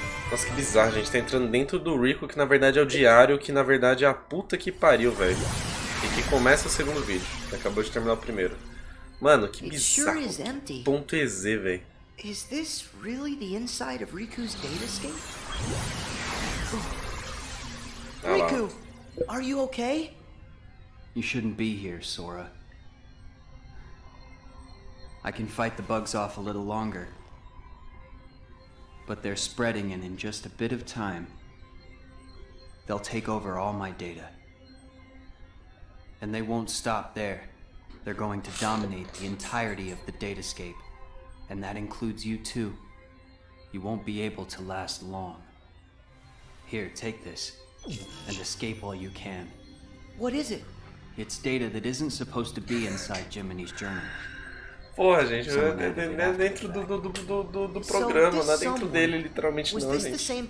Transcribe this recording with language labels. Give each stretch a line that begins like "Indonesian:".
Portuguese: Nossa, que bizarro, a gente tá entrando dentro do Riku, que na verdade é o diário, que na verdade é a puta que pariu, velho. E que começa o segundo vídeo, que acabou de terminar o primeiro. Mano, que bizarro, que ponto EZ, velho.
English: Is this really the inside of Riku's data scan? Riku, are you okay? You shouldn't be here, Sora. I can fight the bugs off a little longer. But they're spreading, and in just a bit of time, they'll take over all my data. And they won't stop there. They're going to dominate the entirety of the datascape. And that includes you too. You won't be able to last long. Here, take this, and escape all you can. What is it? It's data that isn't supposed to be inside Jiminy's journal.
Portuguese: Porra, gente, dentro do programa, não é dentro dele, literalmente não, gente.